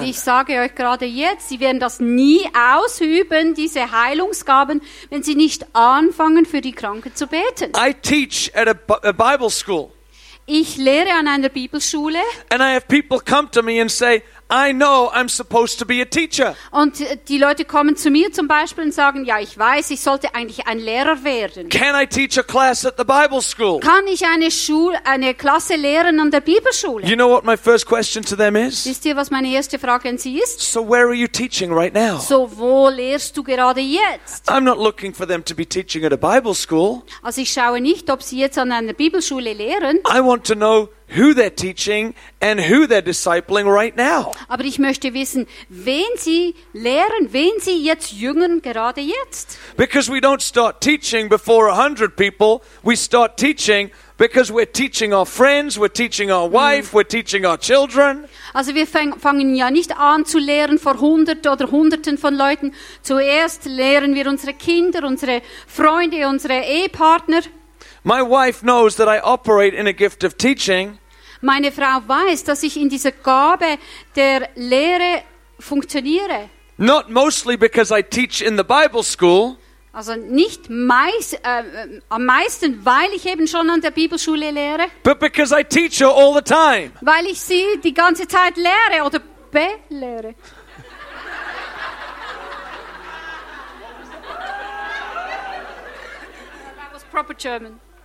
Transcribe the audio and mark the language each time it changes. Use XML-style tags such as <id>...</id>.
<de>Aber ich sage euch gerade jetzt, sie werden das nie ausüben, diese Heilungsgaben, wenn sie nicht anfangen, für die Kranken zu beten.</de> <en>I teach at a Bible school.</en> <de>ich lehre an einer Bibelschule.</de> <en>And I have people come to me and say, I know I'm supposed to be a teacher.</en> <de>Und die Leute kommen zu mir zum Beispiel und sagen, ja, ich weiß, ich sollte eigentlich ein Lehrer werden.</de> <en>Can I teach a class at the Bible school?</en> <de>Kann ich eine Klasse lehren an der Bibelschule?</de> <en>You know what my first question to them is?</en> <de>Wisst ihr, was meine erste Frage an sie ist?</de> <en>So where are you teaching right now?</en> <de>So wo lehrst du gerade jetzt?</de> <en>I'm not looking for them to be teaching at a Bible school.</en> <de>Also ich schaue nicht, ob sie jetzt an einer Bibelschule lehren.</de> <en>I want to know who they're teaching and who they're discipling right now.</en> <de>Aber ich möchte wissen, wen sie lehren, wen sie jetzt jüngern, gerade jetzt.</de> <en>Because we don't start teaching before 100 people, we start teaching because we're teaching our friends, we're teaching our wife, we're teaching our children.</en> <de>Also wir fangen ja nicht an zu lehren vor 100 oder hunderten von Leuten. Zuerst lehren wir unsere Kinder, unsere Freunde, unsere Ehepartner.</de> <en>My wife knows that I operate in a gift of teaching.</en> <de>Meine Frau weiß, dass ich in dieser Gabe der Lehre funktioniere.</de> <en>Not mostly because I teach in the Bible school.</en> <de>Also nicht am meisten, weil ich eben schon an der Bibelschule lehre.</de> <en>But because I teach her all the time.</en> <de>Weil ich sie die ganze Zeit lehre oder belehre.</de> <en>Proper German.</en>